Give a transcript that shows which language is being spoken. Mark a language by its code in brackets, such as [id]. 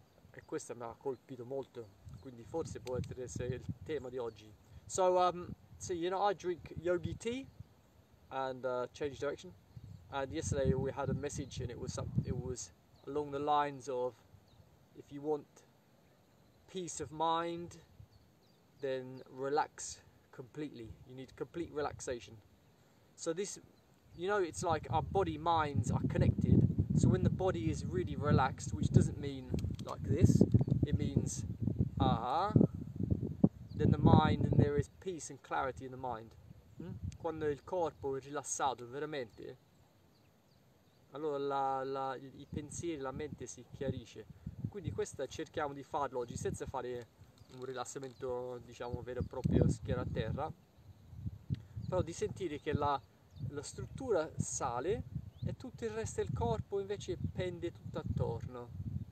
[it] E questo mi ha colpito molto, quindi forse può essere il tema di oggi. [en] So, you know, I drink yogi tea and change direction. And yesterday we had a message and it was along the lines of, if you want peace of mind, then relax completely. You need complete relaxation. So this, you know, it's like our body minds are connected. So when the body is really relaxed, which doesn't mean like this, it means then the mind, and there is peace and clarity in the mind. [it] Quando il corpo è rilassato veramente, allora i pensieri, la mente si chiarisce. Quindi questa cerchiamo di farlo oggi senza fare un rilassamento, diciamo, vero e proprio schiena a terra, però di sentire che la struttura sale e tutto il resto del corpo invece pende tutto attorno.